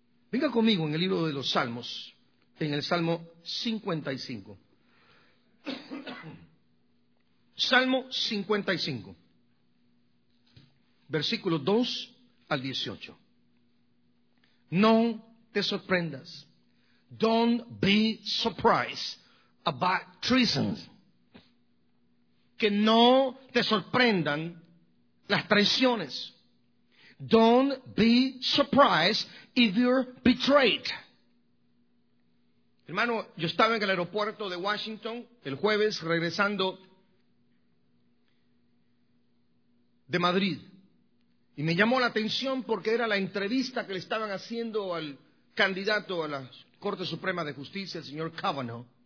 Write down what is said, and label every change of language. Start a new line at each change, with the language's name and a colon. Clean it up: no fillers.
Spanish: Venga conmigo en el libro de los Salmos. En el Salmo 55. Salmo 55. Versículo 2 al 18. No te sorprendas.
English: Don't be surprised about treason.
Spanish: Que no te sorprendan las traiciones.
English: Don't be surprised if you're betrayed.
Spanish: Hermano, yo estaba en el aeropuerto de Washington el jueves regresando de Madrid. Y me llamó la atención porque era la entrevista que le estaban haciendo al candidato a la Corte Suprema de Justicia, el señor Kavanaugh.